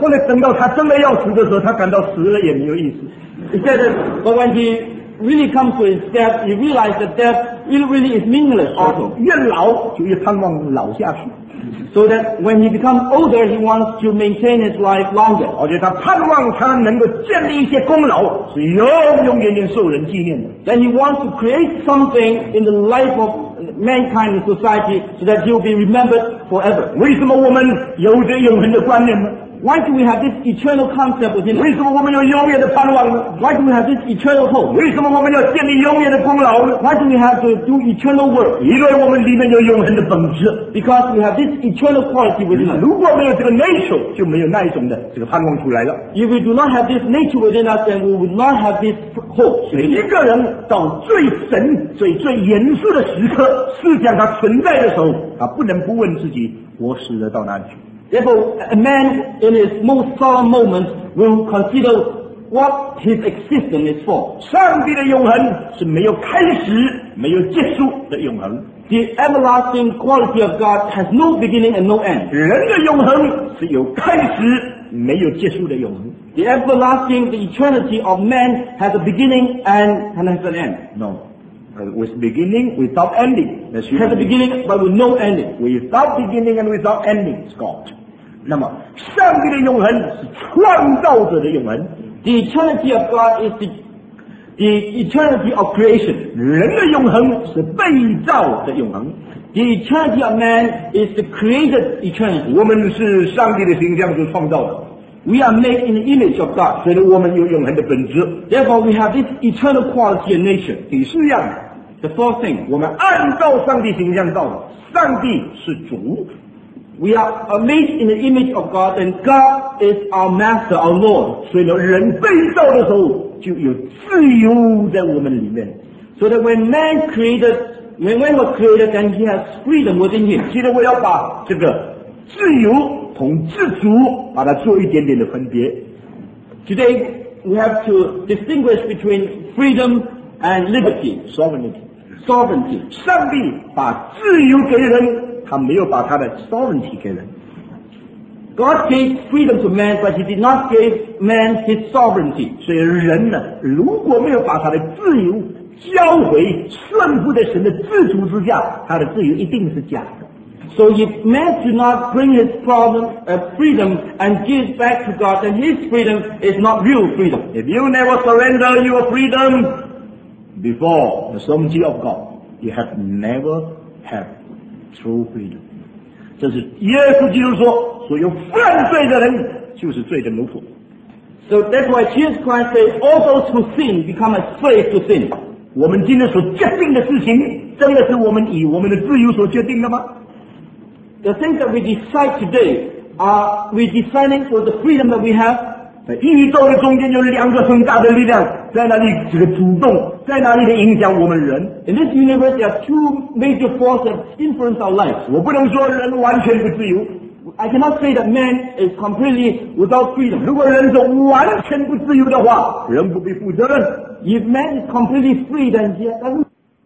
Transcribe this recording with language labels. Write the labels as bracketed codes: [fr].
[zh] 后来等到他真的要死的时候，他感到死了也没有意思。 [en] He said, but when he really comes to his death, he realized that death really is meaningless also. [zh] 越老就越盼望老下去。 [en] So that when he becomes older, he wants to maintain his life longer. [zh] 而且他盼望他能够建立一些功劳，是永永远远受人纪念的。 [en] Then he wants to create something in the life of mankind and society so that he will be remembered forever. [zh] 为什么我们有这永恒的观念呢？ [en] Why do we have this eternal concept within us? [zh] 为什么我们有永远的盼望呢？ [en] Why do we have this eternal hope? [zh] 为什么我们要建立永远的功劳呢？ [en] Why do we have to do eternal work? [zh] 因为我们里面有永恒的本质。 [en] Because we have this eternal quality within us. [zh] 如果没有这个 nature, 就没有那一种的这个盼望出来了。 [en] If we do not have this nature within us, then we would not have this hope. [zh] 每一个人到最神、最最严肃的时刻，思想它存在的时候，他不能不问自己，我死了到哪里去？ [en] Therefore, a man in his most solemn moments will consider what his existence is for. [zh] 上帝的永恒是没有开始、没有结束的永恒。 [en] The everlasting quality of God has no beginning and no end. [zh] 人的永恒是有开始、没有结束的永恒。 [en] The everlasting, the eternity of man has a beginning and has an end. No. With beginning, without ending. Has a beginning, but with no ending. Without beginning and without ending, it's God. [zh] 那么上帝的永恒是创造者的永恒。 [en] The eternity of God is the eternity of creation. [zh] 人的永恒是被造的永恒。 [en] The eternity of man is the created eternity. [zh] 我们是上帝的形象所创造的。 [en] We are made in the image of God. [zh] 所以我们有永恒的本质。 [en] Therefore, we have this eternal quality and nature. [zh] 第四样。 [en] The fourth thing. [zh] 我们按照上帝形象造的。上帝是主。 [en] We are made in the image of God, and God is our master, our Lord. [zh] 所以人被造的时候就有自由在我们里面。 [en] So that when man created, when man was created, then he has freedom within him. [zh] 今天我要把这个自由从自主把它做一点点的分别。 [en] Today we have to distinguish between freedom and liberty, sovereignty. Sovereignty. [zh] 上帝把自由给人，他没有把他的 sovereignty 给人。 [en] God gave freedom to man, but He did not give man His sovereignty. [zh] 所以人呢，如果没有把他的自由交回顺服在神的自主之下，他的自由一定是假的。 [en] So if man do not bring his problem of freedom and give back to God, then his freedom is not real freedom. If you never surrender your freedom before the sovereignty of God, you have never had true freedom. [zh] 这是耶稣基督说，所有犯罪的人就是罪的奴仆。 [en] So that's why Jesus Christ says, all those who sin become a slave to sin. [zh] 我们今天所决定的事情，真的是我们以我们的自由所决定的吗？ [en] The things that we decide today, are we deciding for the freedom that we have? [zh] 在宇宙的中间有两个很大的力量，在那里这个主动，在那里的影响我们人。 [en] In this universe, there are two major forces that influence our lives. [zh] 我不能说人完全不自由。 [en] I cannot say that man is completely without freedom. [zh] 如果人是完全不自由的话，人不必负责任。 [en] If man is completely free, then he doesn't